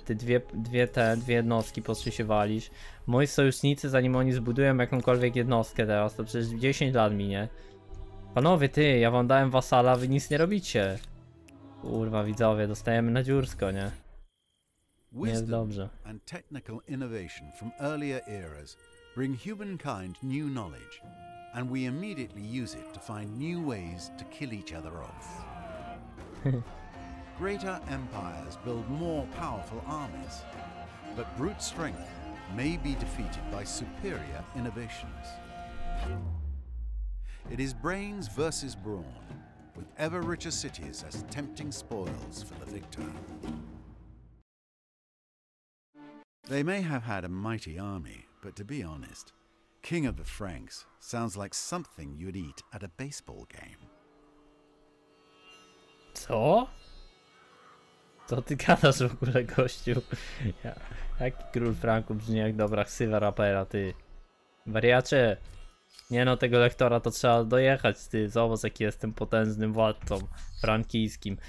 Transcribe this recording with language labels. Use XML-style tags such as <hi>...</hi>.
<pl>Ty dwie jednostki poszły się walić. Moi sojusznicy, zanim oni zbudują jakąkolwiek jednostkę teraz, to przecież 10 lat minie. Panowie, ty, ja wam dałem wasala, wy nic nie robicie. Kurwa, widzowie, dostajemy na dziursko, nie? Nie jest dobrze.</pl> <en>And technical innovation from earlier eras bring humankind new knowledge, and we immediately use it to find new ways to kill each other off. Greater empires build more powerful armies, but brute strength may be defeated by superior innovations. It is brains versus brawn, with ever richer cities as tempting spoils for the victor. They may have had a mighty army, but to be honest, King of the Franks sounds like something you'd eat at a baseball game. So?</en> <pl>Co ty gadasz w ogóle, gościu? Ja, jaki król Franków brzmi jak dobra ksywa rapera, ty? Wariacze! Nie no, tego lektora to trzeba dojechać, ty. Zobacz, jaki jestem potężnym władcą frankijskim.</pl>